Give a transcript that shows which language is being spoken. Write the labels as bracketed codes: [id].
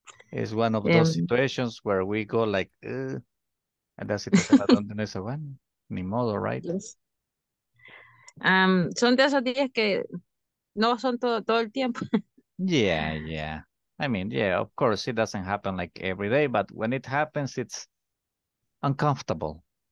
[en] It's one of those situations where we go like, and that's it. [es] Donde no es bueno. Ni modo, right? [en] Yes. [es] Son de esos días que no son todo el tiempo. [en] Yeah. I mean, yeah, of course, it doesn't happen like every day, but when it happens, it's uncomfortable.